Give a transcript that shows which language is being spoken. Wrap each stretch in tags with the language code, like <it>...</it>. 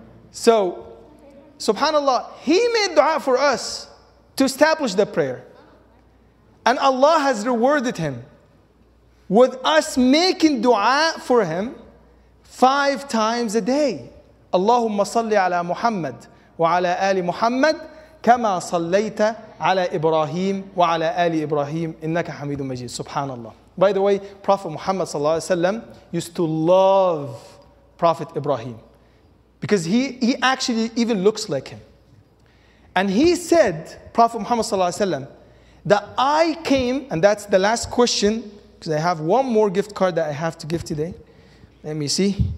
<en>So, subhanAllah, he made dua for us to establish the prayer. And Allah has rewarded him with us making dua for him 5 times a day.</en> <ar>Allahumma salli ala Muhammad wa ala ali Muhammad. كما صليت على إبراهيم وعلى آل إبراهيم إنك حميد مجيد سبحان الله.</ar> <en>By the way, Prophet Muhammad صلى الله عليه وسلم used to love Prophet Ibrahim because he actually even looks like him. And he said, Prophet Muhammad صلى الله عليه وسلم, that I came, and that's the last question, because I have one more gift card that I have to give today. Let me see.</en>